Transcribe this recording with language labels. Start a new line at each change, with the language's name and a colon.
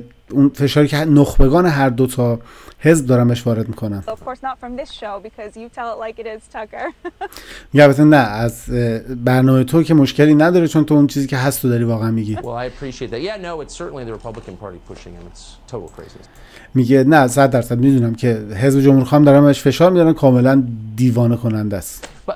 Persian: اون فشاری که نخبگان هر دو تا حزب دارن بهش وارد میکنن.
English: Of course not from this show because you tell it like it is, Tucker.
Persian: میگه البته نه، از برنامه تو که مشکلی نداره، چون تو اون چیزی که هست تو داری واقعا میگی.
English: Well, I appreciate that. Yeah, no, it's certainly the Republican Party pushing him. It's total craziness.
Persian: میگه نه 100% میدونم که حزب جمهوری‌خواه هم دارن بهش فشار میارن، کاملا دیوانه کننده است.